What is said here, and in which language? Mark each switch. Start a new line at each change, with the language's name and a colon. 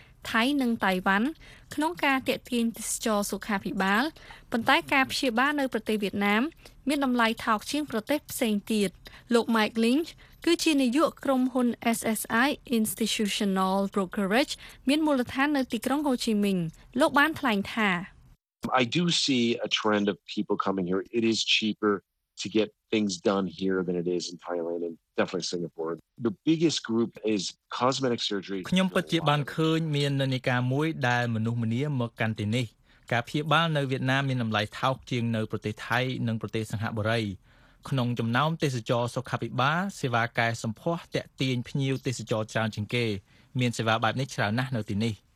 Khmer: ថៃនិងតៃវ៉ាន់ក្នុងការទាក់ទាញទេសចរសុខាភិបាលប៉ុន្តែការព្យាបាលនៅប្រទេសវៀតណាមមានតម្លៃថោកជាងប្រទេសផ្សេងទៀតលោក Mike Lynch គឺជានាយកក្រុមហ៊ុន SSI Institutional Brokerage មានមូលដ្ឋាននៅទីក្រុងហូជីមិញលោកបានថ្លែងថា
English: I do see a trend of people coming here. It is cheaper to get things done here than it is in Thailand and definitely Singapore. The biggest group is cosmetic surgery.
Khmer: ខ្ញុំពិតជាបានឃើញមាននិន្នាការមួយដែលមនុស្សម្នាមកកាន់ទីនេះការព្យាបាលនៅវៀតណាមមានតម្លៃថោកជាងនៅប្រទេសថៃនិងប្រទេសសិង្ហបុរីក្នុងចំណោមទេសចរសុខាភិបាលសេវាកែសម្ផស្សតាក់ទាញភ្ញៀវទេសចរច្រើនជាងគេមានសេវាបែបនេះច្រើនណាស់នៅទីនេះ